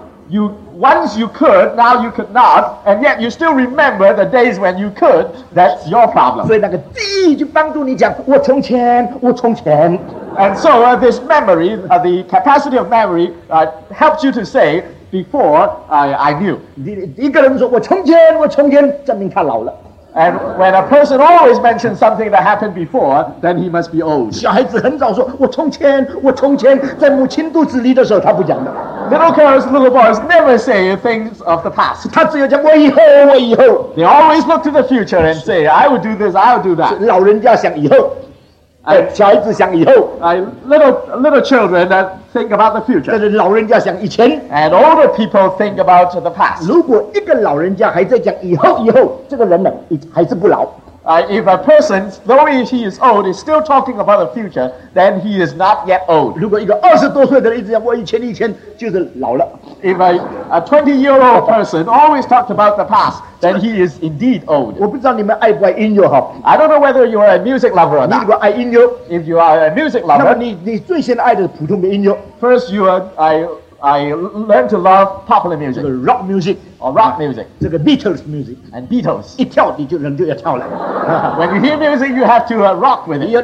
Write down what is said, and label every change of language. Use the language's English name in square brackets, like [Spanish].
[English] Once you could, now you could not, and yet you still remember the days when you could. That's your problem. [Chinese] 所以那个记忆就帮助你讲，我从前，我从前。 [English] And so this memory, the capacity of memory, helps you to say before I knew. [Chinese] 一个人说，我从前，我从前，证明他老了。 [English] And when a person always mentions something that happened before, then he must be old. [Chinese] 小孩子很早说，我从前，我从前在母亲肚子里的时候，他不讲的。 [English] Little girls, little boys never say things of the past. [Chinese] 他只有讲我以后，我以后。 [English] They always look to the future and say, I will do this, I will do that. [Chinese] 老人家想以后。小孩子想以后 [English] little children that think about the future. [Chinese] 但是老人家想以前 [English] and older people think about the past. [Chinese] 如果一个老人家还在讲以后以后，这个人呢，还是不老。 [English] If a person, though he is old, is still talking about the future, then he is not yet old. [Chinese] 如果一个20多岁的人一直讲我以前以前，就是老了。 [English] If a 20-year-old person always talked about the past, then he is indeed old. [Chinese] 我不知道你们爱不爱音乐哈。 [English] I don't know whether you are a music lover or not. [Chinese] 你如果爱音乐 [English] ，If you are a music lover, [Chinese] 那么你最先爱的是普通的音乐。 [English] First, you are I learned to love popular music, rock music. Or rock music. [Chinese] 这个 [English] Beatles music. And Beatles. [Chinese] 一跳你就人就要跳了。 [English] When you hear music, you have to rock with it.